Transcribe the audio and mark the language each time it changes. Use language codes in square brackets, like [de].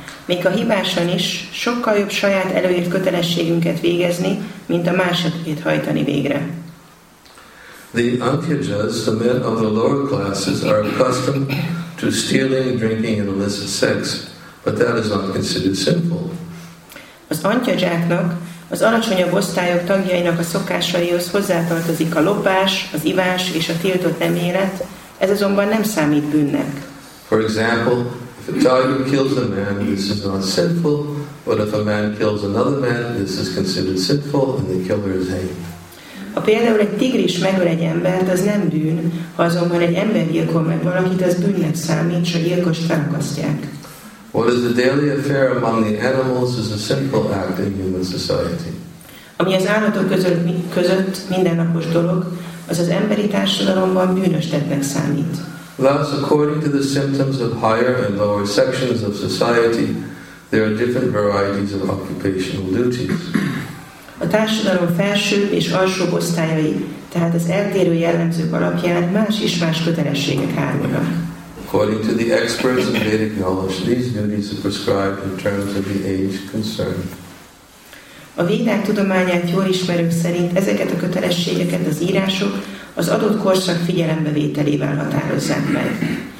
[hu] Még a hibásan is sokkal jobb saját előírt kötelességünket végezni, mint a másokét hajtani végre. [en] The antyajas, the men of the lower classes, are accustomed to stealing, drinking and illicit sex, but that is not considered sinful. [hu] Az antyajáknak, az alacsonyabb osztályok tagjainak a szokásaihoz hozzátartozik a lopás, az ivás és a tiltott nem élet, ez azonban nem számít bűnnek. [en] For example, if a tiger kills a man, this is not sinful, but if a man kills another man, this is considered sinful, and the killer is hanged. [hu] Ha például egy tigris megöl egy embert, az nem bűn, ha azonban egy ember gyilkol meg valakit, az bűnnek számít, s a gyilkost felakasztják. [en] What is a daily affair among the animals is a sinful act in human society. [hu] Ami az állatok között mindennapos dolog, az az emberi társadalomban bűnös tettnek számít. [en] Thus, according to the symptoms of higher and lower sections of society, there are different varieties of occupational duties. [hu] A társadalom felsőbb és alsóbb osztályai, tehát az eltérő jellemzők alapján más és más kötelességek hárulnak. [en] According to the experts of Vedic knowledge, these duties are prescribed in terms of the age concerned. [hu] A védák tudományát jól ismerők szerint ezeket a kötelességeket az írások az adott korszak figyelembevételével határozzák meg.